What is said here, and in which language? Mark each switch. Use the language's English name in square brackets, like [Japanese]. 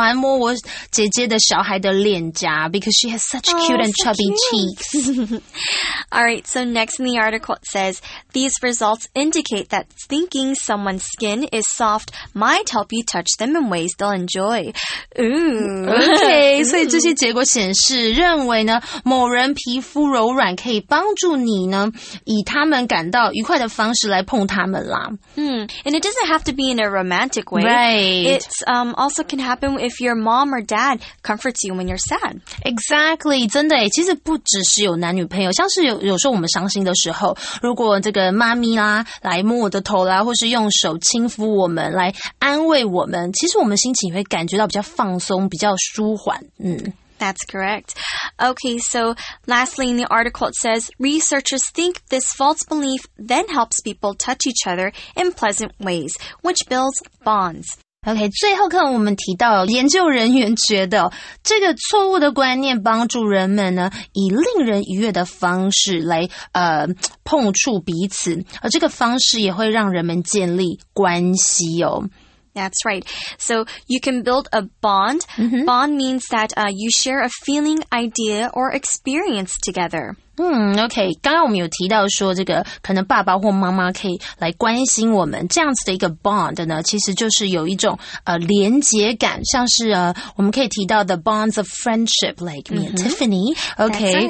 [Chinese] 欢摸我姐姐的小孩的脸颊 [English] because she has such cute and chubby cheeks. All right, so next in the article it says, these results indicate that thinking someone's skin is soft might help you touch them in ways they'll enjoy. Ooh. [Chinese] Okay, 所以这些结果显示认为呢某人皮肤柔软可以帮助你呢以他们感到愉快的方式来碰他们啦。 [English] And it doesn't have to be in a romantic way. Right. It also can happen if your mom or dad comforts you when you're sad. Exactly. [Chinese] 真的耶，其实不只是有男女朋友，像是有时候我们伤心的时候，如果这个妈咪啦来摸我的头啦，或是用手轻抚我们来安慰我们，其实我们心情也会感觉到比较放松，比较舒缓。 [English] That's correct. Okay, so lastly in the article it says, researchers think this false belief then helps people touch each other in pleasant ways, which builds bonds. [Chinese] Okay, 最后课我们提到研究人员觉得这个错误的观念帮助人们呢以令人愉悦的方式来碰触彼此，而这个方式也会让人们建立关系哦。 [English] That's right. So you can build a bond. Mm-hmm. Bond means that you share a feeling, idea, or experience together. [Chinese] Okay. 刚刚我们有提到说这个可能爸爸或妈妈可以来关心我们这样子的一个 bond 呢其实就是有一种连结感像是我们可以提到 [English] the bonds of friendship, like me and Tiffany. [Chinese] Okay.